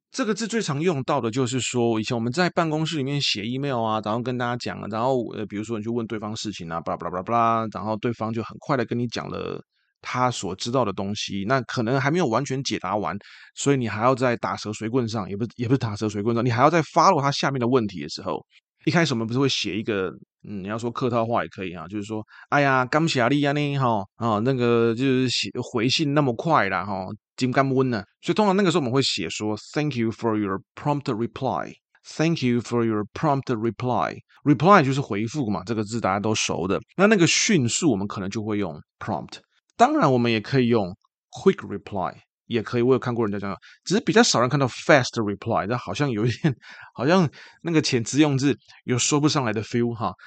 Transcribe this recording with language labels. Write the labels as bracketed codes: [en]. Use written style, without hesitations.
[zh] 这个字最常用到的就是说，以前我们在办公室里面写 email 啊，然后跟大家讲，然后比如说你去问对方事情啊，巴拉巴拉巴拉，然后对方就很快的跟你讲了他所知道的东西，那可能还没有完全解答完，所以你还要再打蛇随棍上，也不是打蛇随棍上，你还要再 follow 他下面的问题的时候。一开始我们不是会写一个，你要说客套话也可以啊，就是说，哎呀，感谢你啊呢，吼，啊，那个就是写回信那么快啦，吼，真感恩呢。所以通常那个时候我们会写说， [en] Thank you for your prompt reply。 Thank you for your prompt reply. [zh] Reply 就是回复嘛，这个字大家都熟的。那个迅速，我们可能就会用 prompt。当然，我们也可以用 quick reply，也可以。我有看过人家这样，只是比较少人看到 fast reply。这好像有一点，好像那个遣词用字有说不上来的 feel 哈。